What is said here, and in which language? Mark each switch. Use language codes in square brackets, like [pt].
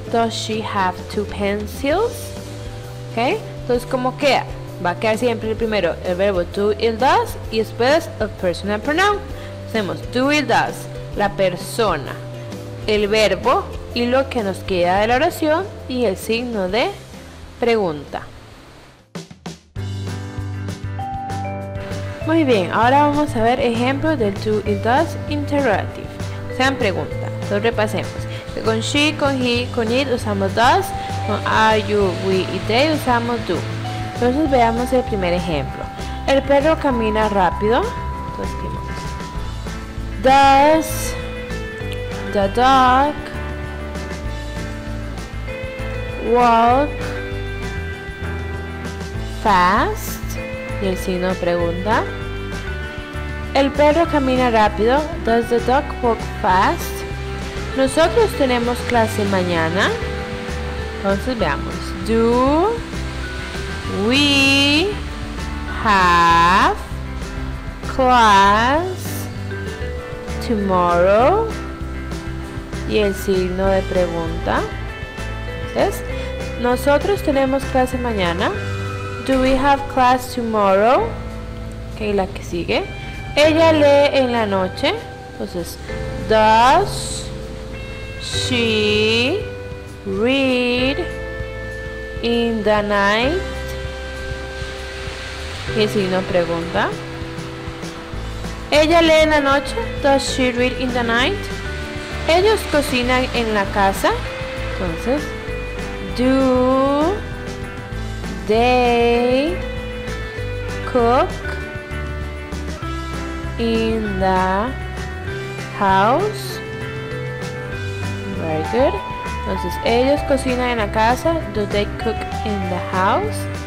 [en] Does she have two pencils? [es] Ok. Entonces, ¿cómo queda? Va a quedar siempre el primero el verbo do y does. Y después el personal pronoun. Hacemos do y does. La persona. El verbo. Y lo que nos queda de la oración. Y el signo de... pregunta. Muy bien, ahora vamos a ver ejemplos del do y does interrogative. Sean pregunta. Entonces repasemos. Con she, con he, con it usamos does. Con are, you, we y they usamos do. Entonces veamos el primer ejemplo. El perro camina rápido. Entonces escribimos. [en] Does the dog walk fast? [es] Y el signo pregunta. El perro camina rápido. [en] Does the dog walk fast? [es] Nosotros tenemos clase mañana. Entonces veamos. [en] Do we have class tomorrow? [es] Y el signo de pregunta. ¿Ves? Nosotros tenemos clase mañana. [en] Do we have class tomorrow? Ok, [es] la que sigue. Ella lee en la noche. Entonces, [en] does she read in the night? [es] Y el signo pregunta. Ella lee en la noche. [en] Does she read in the night? [es] Ellos cocinan en la casa. [en] Entonces, do they cook in the house. Very good. [es] Entonces, ellos cocinan en la casa. [en] Do they cook in the house?